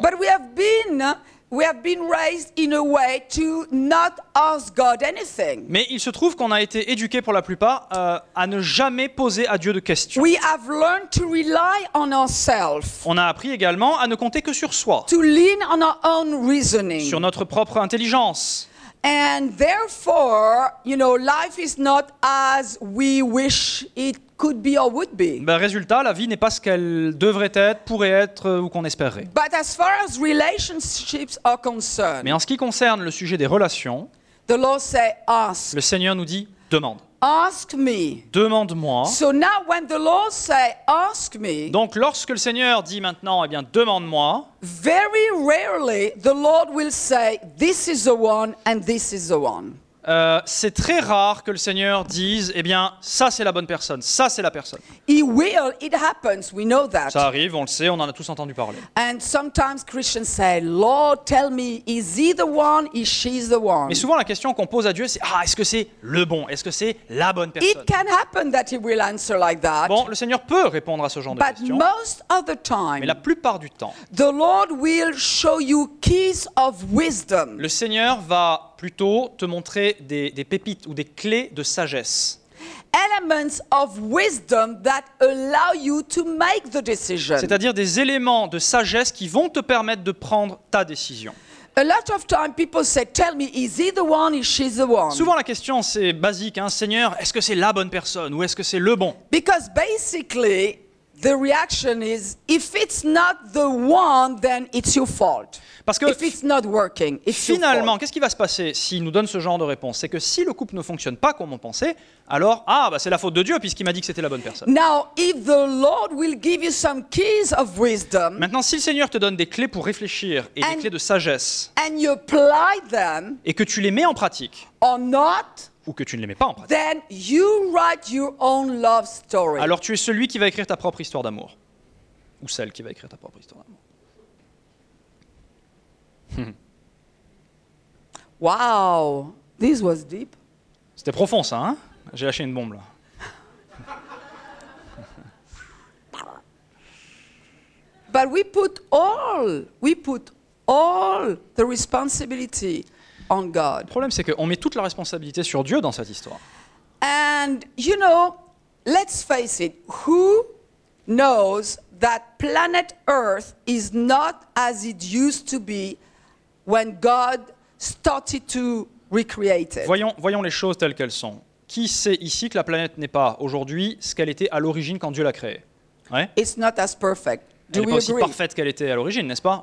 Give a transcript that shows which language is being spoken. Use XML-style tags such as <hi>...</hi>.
<en>But we have been raised in a way to not ask God anything.</en> <fr>Mais il se trouve qu'on a été éduqués pour la plupart à ne jamais poser à Dieu de questions.</fr> <en>We have learned to rely on ourselves.</en> <fr>On a appris également à ne compter que sur soi.</fr> <en>To lean on our own reasoning.</en> <fr>Sur notre propre intelligence.</fr> <en>And therefore, you know, life is not as we wish it could be or would be.</en> <fr>Ben résultat, la vie n'est pas ce qu'elle devrait être, pourrait être ou qu'on espérait.</fr> <en>But as far as relationships are concerned.</en> <fr>Mais en ce qui concerne le sujet des relations,</fr> <en>the Lord says, ask.</en> <fr>Le Seigneur nous dit, demande.</fr> <en>Ask me.</en> <fr>Demande-moi.</fr> <en>So now when the Lord say ask me.</en> <fr>Donc lorsque le Seigneur dit maintenant, eh bien demande-moi.</fr> <en>Very rarely the Lord will say this is the one and this is the one.</en> <fr>C'est très rare que le Seigneur dise, eh bien, ça c'est la bonne personne, ça c'est la personne.</fr> <en>It happens, we know that.</en> <fr>Ça arrive, on le sait, on en a tous entendu parler.</fr> <en>And sometimes Christians say, Lord, tell me, is he the one, is she the one?</en> <fr>Mais souvent la question qu'on pose à Dieu, c'est, ah, est-ce que c'est le bon, est-ce que c'est la bonne personne?</fr> <en>It can happen that he will answer like that.</en> <fr>Bon, le Seigneur peut répondre à ce genre</fr> <en>but</en> <fr>de questions.</fr> <en>Most of the time,</en> <fr>mais la plupart du temps,</fr> <en>the Lord will show you keys of wisdom.</en> <fr>Le Seigneur va plutôt te montrer des pépites ou des clés de sagesse.</fr> <en>Elements of wisdom that allow you to make the decision.</en> <fr>C'est-à-dire des éléments de sagesse qui vont te permettre de prendre ta décision.</fr> <en>A lot of time people say, tell me, is he the one, is she the one?</en> <fr>Souvent la question c'est basique, hein, Seigneur, est-ce que c'est la bonne personne ou est-ce que c'est le bon?</fr> <en>Because basically the reaction is, if it's not the one, then it's your fault.</en> <fr>Parce que</fr> <en>if it's not working, it's</en> <fr>finalement,</fr> <en>your fault.</en> <fr>Qu'est-ce qui va se passer s'il nous donne ce genre de réponse? C'est que si le couple ne fonctionne pas comme on pensait, alors ah bah c'est la faute de Dieu puisqu'il m'a dit que c'était la bonne personne.</fr> <en>Now, if the Lord will give you some keys of wisdom,</en> <fr>maintenant, si le Seigneur te donne des clés pour réfléchir et des clés de sagesse,</fr> <en>and you apply them,</en> <fr>et que tu les mets en pratique,</fr> <en>or not,</en> <fr>ou que tu ne les mets pas en pratique.</fr> <en>Then you write your own love story.</en> <fr>Alors tu es celui qui va écrire ta propre histoire d'amour. Ou celle qui va écrire ta propre histoire d'amour.</fr> <en>Wow, this was deep.</en> <fr>C'était profond ça, hein? J'ai lâché une bombe là.</fr> <en>But we put all the responsibility. On God.</en> <fr>Le problème, c'est qu'on met toute la responsabilité sur Dieu dans cette histoire.</fr> <en>And you know, let's face it, who knows that planet Earth is not as it used to be when God started to recreate it?</en> <fr>Voyons les choses telles qu'elles sont. Qui sait ici que la planète n'est pas aujourd'hui ce qu'elle était à l'origine quand Dieu l'a créée? Ouais.</fr> <en>It's not as perfect.</en> <fr>Elle n'est pas aussi parfaite qu'elle était à l'origine, n'est-ce pas?</fr>